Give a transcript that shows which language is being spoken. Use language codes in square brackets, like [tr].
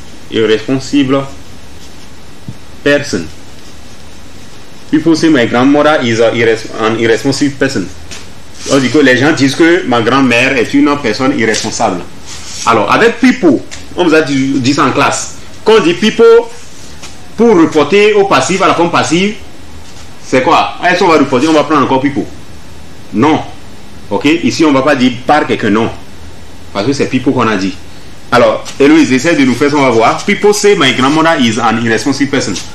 [en] Irresponsible person. People say my grandmother is an irresponsible person. [fr] On dit que les gens disent que ma grand-mère est une personne irresponsable. Alors, avec people, on vous a dit ça en classe. Quand on dit people, pour reporter au passif, à la forme passive, c'est quoi? Est-ce qu'on va reporter, on va prendre encore people? Non. Ok? Ici, on ne va pas dire par quelqu'un, non. Parce que c'est people qu'on a dit. Alors, Héloïse, essaie de nous faire ça, on va voir. [en] People say my grandmother is an irresponsible person.